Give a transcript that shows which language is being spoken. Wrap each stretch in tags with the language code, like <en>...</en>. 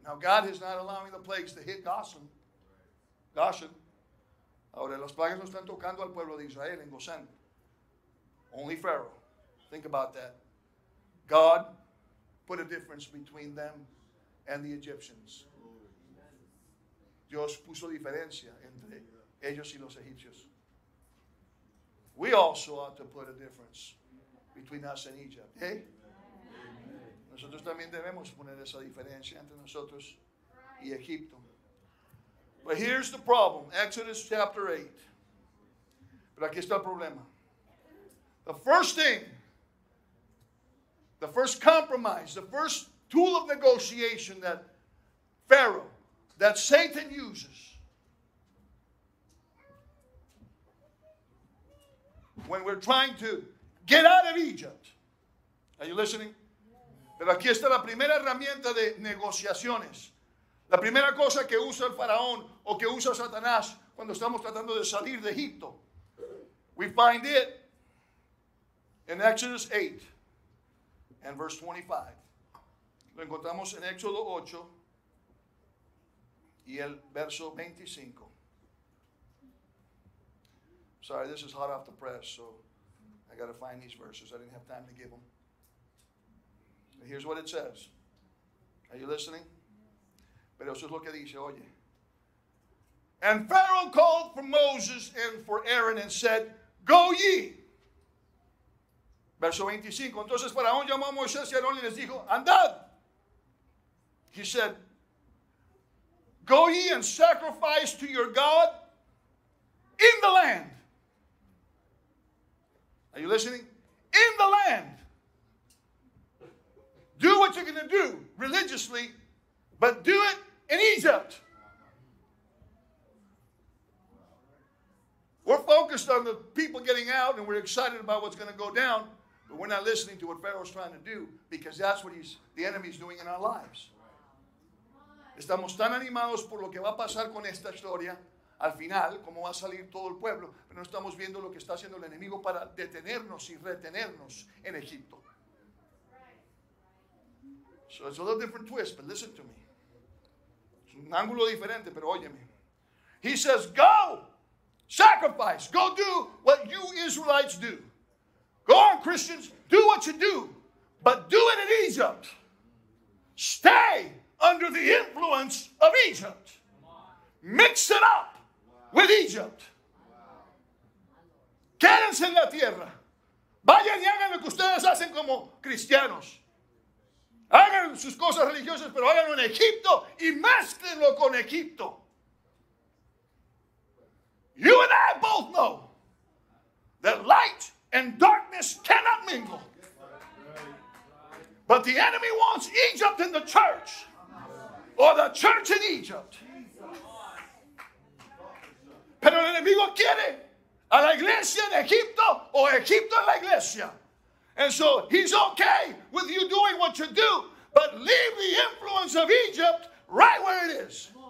<en>Now God is not allowing the plagues to hit Goshen. Goshen.</en> <es>Ahora las plagas no están tocando al pueblo de Israel en Goshen.</es> <en>Only Pharaoh. Think about that. God put a difference between them and the Egyptians.</en> <es>Dios puso diferencia entre ellos y los egipcios.</es> <en>We also ought to put a difference between us and Egypt. Hey?</en> <es>Nosotros también debemos poner esa diferencia entre nosotros y Egipto.</es> <en>But here's the problem. Exodus chapter 8.</en> <es>Pero aquí está el problema.</es> <en>The first compromise, the first tool of negotiation that Pharaoh, that Satan uses when we're trying to get out of Egypt. Are you listening?</en> <es>Pero aquí está la primera herramienta de negociaciones. La primera cosa que usa el faraón o que usa Satanás cuando estamos tratando de salir de Egipto.</es> <en>We find it in Exodus 8 and verse 25.</en> <es>Lo encontramos en Éxodo 8 y el verso 25.</es> <en>Sorry, this is hot off the press, so I got to find these verses. I didn't have time to give them. And here's what it says. Are you listening?</en> <es>Pero eso es lo que dice, oye.</es> <en>And Pharaoh called for Moses and for Aaron and said, go ye.</en> <es>Verso 25. Entonces Faraón llamó a Moisés y Aarón y les dijo, andad.</es> <en>He said, go ye and sacrifice to your God in the land. Are you listening? In the land. Do what you're going to do religiously, but do it in Egypt. We're focused on the people getting out and we're excited about what's going to go down, but we're not listening to what Pharaoh's trying to do because that's what the enemy's doing in our lives.</en> <es>Estamos tan animados por lo que va a pasar con esta historia al final, cómo va a salir todo el pueblo, pero no estamos viendo lo que está haciendo el enemigo para detenernos y retenernos en Egipto.</es> <en>So it's a little different twist, but listen to me.</en> <es>Es un ángulo diferente, pero óyeme.</es> <en>He says, go, sacrifice, go do what you Israelites do. Go on, Christians, do what you do, but do it in Egypt. Stay under the influence of Egypt. Mix it up with Egypt.</en> <es>Quédense en la tierra. Vayan y hagan lo que ustedes hacen como cristianos. Hagan sus cosas religiosas, pero háganlo en Egipto y mezclenlo con Egipto.</es> <en>You and I both know that light and darkness cannot mingle. But the enemy wants Egypt in the church, or the church in Egypt.</en> <es>Pero el enemigo quiere a la iglesia en Egipto, o Egipto en la iglesia.</es> <en>And so he's okay with you doing what you do, but leave the influence of Egypt right where it is.</en>